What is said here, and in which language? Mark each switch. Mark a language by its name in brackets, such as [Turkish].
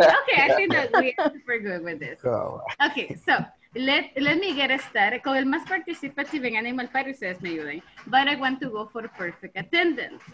[English] Okay, I think that we are super good with this. Okay, so let me get started. [Spanish] Con el más participativo en Animal Party, ustedes me ayuden. [English] But I want to go for perfect attendance.